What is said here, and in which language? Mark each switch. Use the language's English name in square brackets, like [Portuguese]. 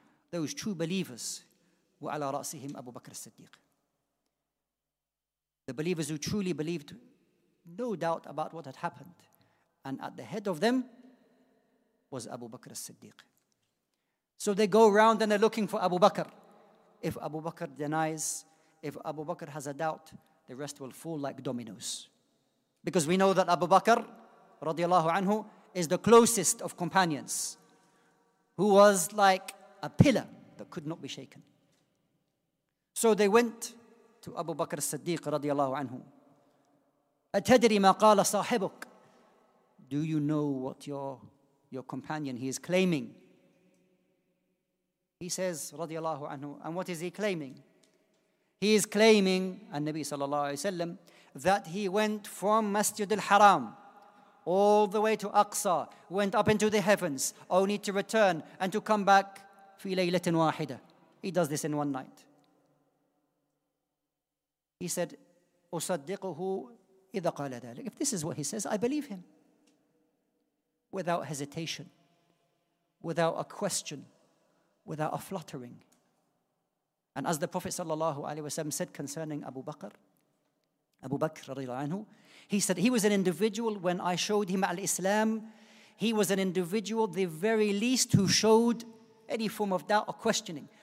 [English] Those true believers, [Arabic] وَعَلَىٰ رَأْسِهِمْ أَبُوْ بَكْرَ الصِّدِّيقِ. [English] The believers who truly believed, no doubt about what had happened. And at the head of them was Abu Bakr as-Siddiq. So they go around and they're looking for Abu Bakr. If Abu Bakr denies, if Abu Bakr has a doubt, the rest will fall like dominoes. Because we know that Abu Bakr, radiallahu anhu, is the closest of companions, who was like a pillar that could not be shaken. So they went to Abu Bakr as-Siddiq radiallahu anhu. [Arabic] أَتَدْرِ مَا قَالَ صَاحِبُكَ. [English] Do you know what your companion, he is claiming? He says radiallahu anhu, and what is he claiming? He is claiming, and Nabi sallallahu alayhi wa sallam, that he went from Masjid al-Haram all the way to Aqsa, went up into the heavens, only to return and to come back [Arabic] في ليلة واحدة, [English] He does this in one night. He said, [Arabic] أُصَدِّقُهُ إِذَا قَالَ ذَلِكَ. [English] If this is what he says, I believe him. Without hesitation, without a question, without a fluttering. And as the Prophet sallallahu alaihi wasallam said concerning Abu Bakr radiallahu anhu, he said he was an individual when I showed him al-Islam, he was an individual, the very least, who showed any form of doubt or questioning.